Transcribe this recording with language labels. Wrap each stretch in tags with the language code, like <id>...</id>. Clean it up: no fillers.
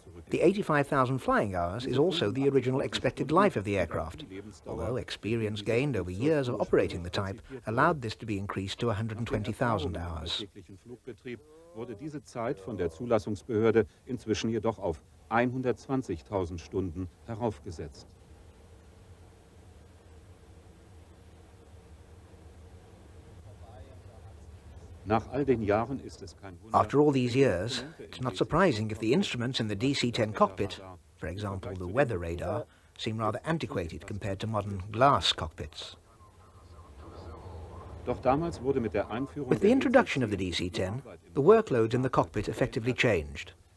<en>The 85,000 flying hours is also the original expected life of the aircraft, although experience gained over years of operating the type allowed this to be increased to 120,000 hours.</en> <de>Wurde diese Zeit von der Zulassungsbehörde inzwischen jedoch auf 120.000 Stunden heraufgesetzt. Nach all den Jahren ist es kein Wunder.</de> <en>After all these years, it's not surprising if the instruments in the DC-10 cockpit, for example the weather radar, seem rather antiquated compared to modern glass cockpits. With the introduction of the DC-10, the workloads in the cockpit effectively changed.</en>